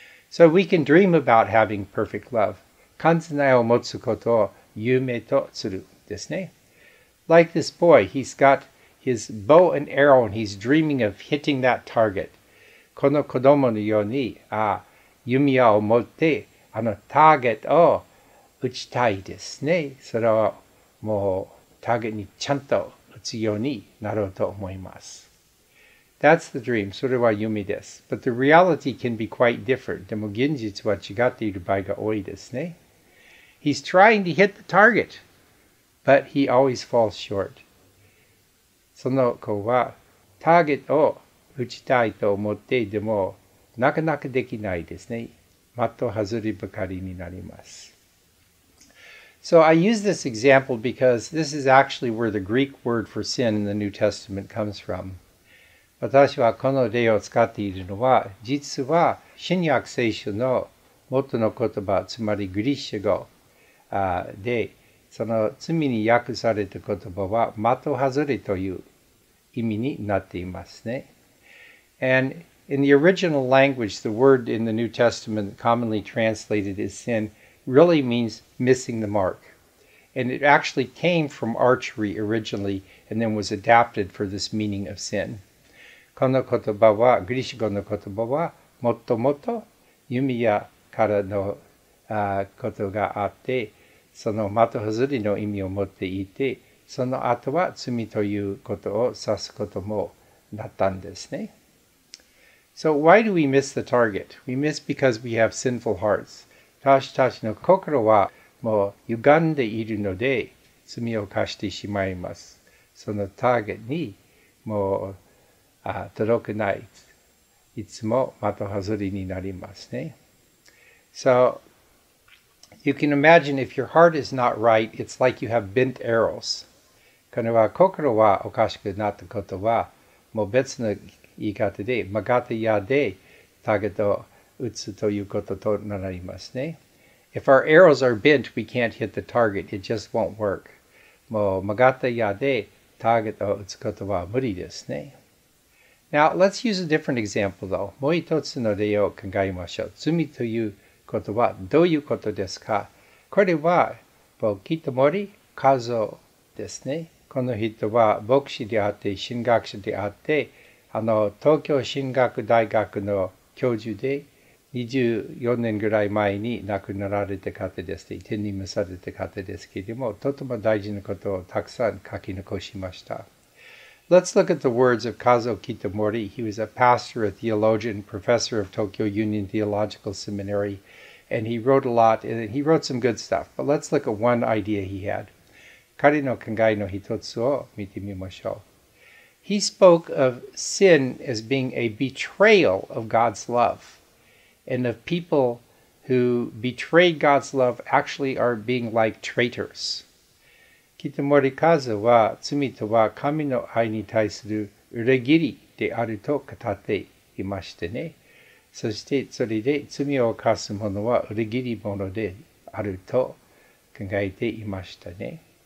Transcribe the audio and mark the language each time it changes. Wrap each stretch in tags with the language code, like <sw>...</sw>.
<en>So we can dream about having perfect love.</en> <ja>完全な愛を持つことを夢とするですね。</ja> <en>Like this boy, he's got his bow and arrow and he's dreaming of hitting that target.</en> <ja>この子供のように、弓矢を持って、ターゲットを打ちたいですね。それはもう、ターゲットにちゃんと打つようになろうと思います。</ja> <en>That's the dream.</en> <ja>それは夢です。</ja> <en>But the reality can be quite different.</en> <ja>でも現実は違っている場合が多いですね。</ja> <en>He's trying to hit the target, but he always falls short.</en> <ja>その子はターゲットを打ちたいと思ってでもなかなかできないですね。的外ればかりになります。</ja> <en>So I use this example because this is actually where the Greek word for sin in the New Testament comes from.</en> <ja>私はこの例を使っているのは、実は新約聖書の元の言葉、つまりギリシャ語で、その罪に訳された言葉は、的外れという意味になっていますね。</ja> <en>And in the original language, the word in the New Testament commonly translated as sin,really means missing the mark. And it actually came from archery originally and then was adapted for this meaning of sin.</en> <ja>この言葉は、グリシャ語の言葉は、もっともっと弓矢からのことがあって、その的外れの意味を持っていて、その後は罪ということを指すこともなったんですね。</ja> <en>So why do we miss the target? We miss because we have sinful hearts.</en> <ja>私たちの心はもう歪んでいるので罪を犯してしまいます。そのターゲットにもう届けない。いつも的外れになりますね。</ja> <en>So, you can imagine if your heart is not right, it's like you have bent arrows.</en> <ja>これは心はおかしくなったことは、もう別の言い方で、曲がった矢でターゲットを打つということとなりますね。</ja> <en>If our arrows are bent, we can't hit the target. It just won't work.</en> <ja>もう曲がった矢でターゲットを打つことは無理ですね。</ja> <en>Now, let's use a different example, though.</en> <ja>もう一つの例を考えましょう。罪ということはどういうことですか？これは、もう聞いたもり、カゾですね。この人は牧師であって、神学者であって、東京神学大学の教授で、24年ぐらい前に亡くなられた方ですね。天に召された方ですけれども、とても大事なことをたくさん書き残しました。</ja> <en>Let's look at the words of Kazuo Kitamori. He was a pastor, a theologian, professor of Tokyo Union Theological Seminary, and he wrote a lot, and he wrote some good stuff. But let's look at one idea he had.</en> <ja>彼の考えの一つを見てみましょう。</ja> <en>He spoke of sin as being a betrayal of God's love, and of people who betrayed God's love actually are being like traitors.</en> <ja>キトモリカズは罪とは神の愛に対する裏切りであると語っていましてね。そしてそれで罪を犯す者は裏切り者であると考えていましたね。</ja>